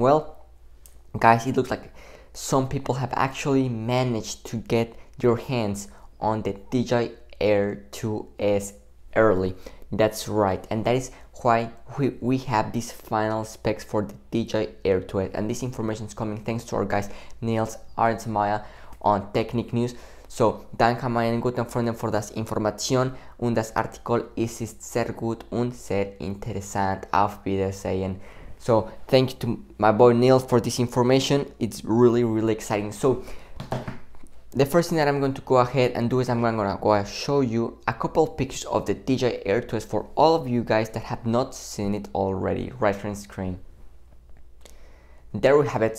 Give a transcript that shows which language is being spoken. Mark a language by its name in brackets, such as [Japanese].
[English] Well, guys, it looks like some people have actually managed to get your hands on the DJI Air 2S early. That's right, and that is why we have these final specs for the DJI Air 2S, and this information is coming thanks to our guys Nils Arnsmaya on Technic News. [German] So danke meinen guten Freunden für das Information und das Artikel, es ist sehr gut und sehr interessant, auf Wiedersehen. [English] So thank you to my boy Nils for this information. It's really, really exciting. So the first thing that I'm going to go ahead and do is I'm going to go ahead and show you a couple pictures of the DJI Air 2S for all of you guys that have not seen it already, right from the screen. There we have it.